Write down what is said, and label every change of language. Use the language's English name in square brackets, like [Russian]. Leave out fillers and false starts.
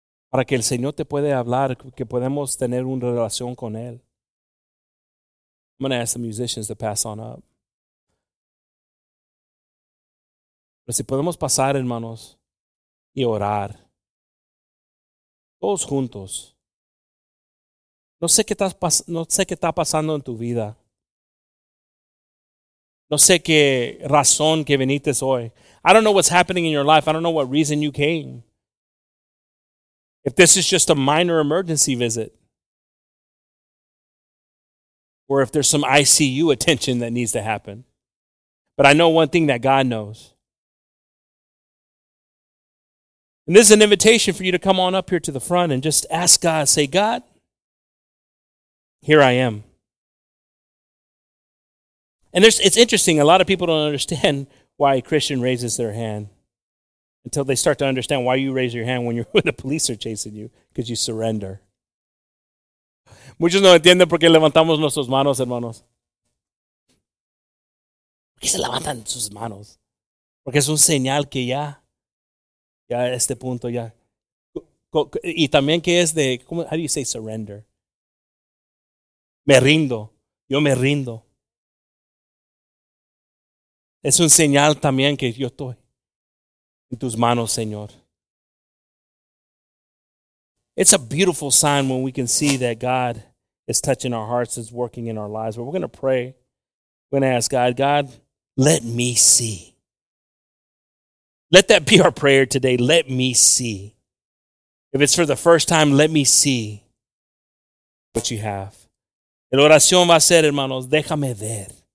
[Spanish] Para que el Señor te pueda hablar, que podemos tener una relación con Él. [English] I'm going to ask the musicians to pass on up. [Spanish] Pero si podemos pasar, hermanos, y orar. Todos juntos. No sé qué está pasando en tu vida. No sé qué razón que viniste hoy. [English] I don't know what's happening in your life. I don't know what reason you came. If this is just a minor emergency visit. Or if there's some ICU attention that needs to happen. But I know one thing that God knows. And this is an invitation for you to come on up here to the front and just ask God, say, God, here I am. And it's interesting, a lot of people don't understand why a Christian raises their hand until they start to understand why you raise your hand when you're the police are chasing you, because you surrender. [Spanish] Muchos no entienden por qué levantamos nuestras manos, hermanos. ¿Por qué se levantan sus manos? Porque es un señal que ya, ya a este punto ya. Y también que es de, ¿cómo, [English] how do you say surrender? [Spanish] Me rindo, yo me rindo. Es un señal también que yo estoy en tus manos, Señor. [English] It's a beautiful sign when we can see that God is touching our hearts, is working in our lives. But we're going to pray. We're going to ask God, God, let me see. Let that be our prayer today. Let me see. If it's for the first time, let me see what you have. [Spanish] El oración va a ser, hermanos, déjame ver.